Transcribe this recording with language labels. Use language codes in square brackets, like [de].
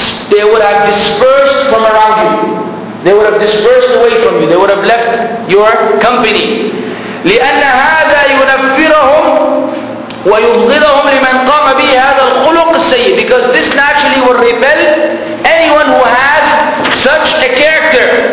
[en] They would have dispersed from around you. They would have dispersed away from you. They would have left your company. [ar] لأن هذا ينفرهم وَيُبْغِضَهُمْ لِمَنْ قَامَ بِهِ هَذَا الْخُلُقِ السَّيِّئِ. [en] Because this naturally will repel anyone who has such a character.